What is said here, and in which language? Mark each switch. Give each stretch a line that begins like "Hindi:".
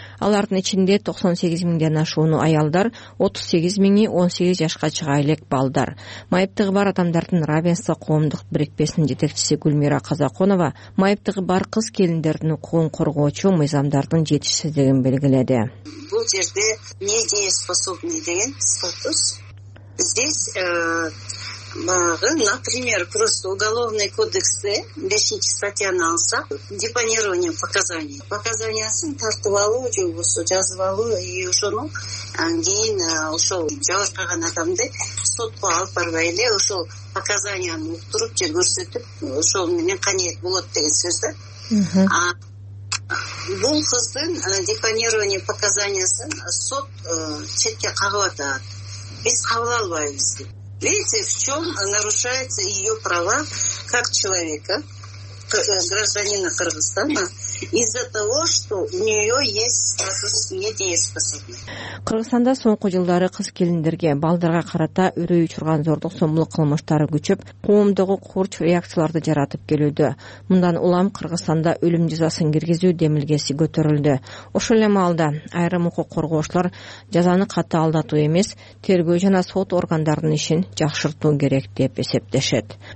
Kyrgyz: Алардын ичинде 98 миңден ашууну аялдар, 38 миңи 18 жашка чыга элек балдар. Майыптыгы бар адамдардын равенство коомдук бирикпесинин жетекчиси Гүлмира Казаконова майыптыгы бар кыз келиндердин укугун коргоочу мыйзамдардын жетишсиздигин белгиледи. Бул жерде недееспособный деген статус.
Russian: Здесь, например, просто уголовный кодекс 5-й
Kyrgyz: статьяны алса,
Russian: депонирование показаний.
Kyrgyz: Показаниясын тартып алуу, жолбосо жазып алуу и ошону кийин ошол жабыркаган адамды сотко алып барбай эле ошол показанияны уктуруп же көрсөтүп, ошол менен канеет болот деген сөз да. Бул кыздын депонирование показаниясын сот четке кагып атат. Без кабыл албайбыз.
Russian: Видите, в чем нарушаются ее права как человека, гражданина Кыргызстана, из-за того, что у нее есть статус недееспособный.
Kyrgyz: Кыргызстанда соңку жылдары кыз келиндерге балдарга карата үрөй учурган зордук зомбулук кылмыштары күчөп, коомдогу курч реакцияларды жаратып келүүдө. Мындан улам Кыргызстанда өлүм жазасын киргизүү демилгеси көтөрүлдү. Ошол эле маалда айрым укук коргоочулар жазаны катаалдатуу эмес, тергөө жана сот органдарынын ишин жакшыртуу керек деп эсептешет.